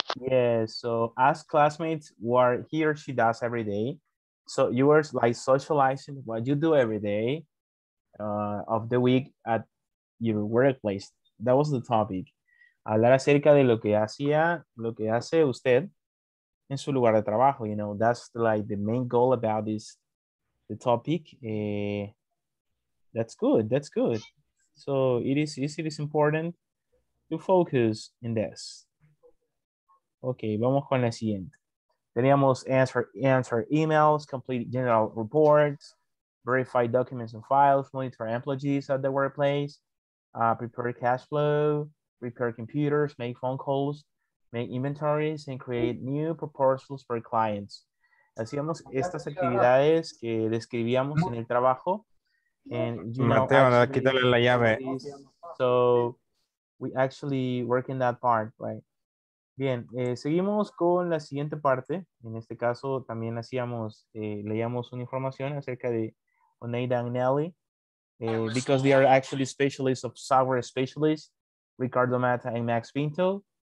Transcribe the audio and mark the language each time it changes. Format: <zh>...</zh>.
<en>Yes, yeah, so ask classmates what he or she does every day. So you are like socializing what you do every day of the week at your workplace. That was the topic.</en> <es>Hablar acerca de lo que hacía, lo que hace usted en su lugar de trabajo.</es> <en>You know, that's like the main goal about this, the topic. That's good. That's good. So it is important to focus in this. Okay,</en> <es>vamos con la siguiente. Teníamos</es> <en>answer emails, complete general reports, verify documents and files, monitor employees at the workplace, prepare cash flow, repair computers, make phone calls, make inventories, and create new proposals for clients.</en> <es>Hacíamos estas actividades que describíamos en el trabajo.</es> <en>And, you know,</en> <es>Mateo, actually, quítale la llave.</es> <en>So we actually work in that part, right?</en> <es>Bien, seguimos con la siguiente parte. En este caso, también hacíamos, leíamos una información acerca de Oneida and Nelly,</es> <en>because they are actually specialists of software specialists,</en> <es>Ricardo Mata and Max Pinto.</es>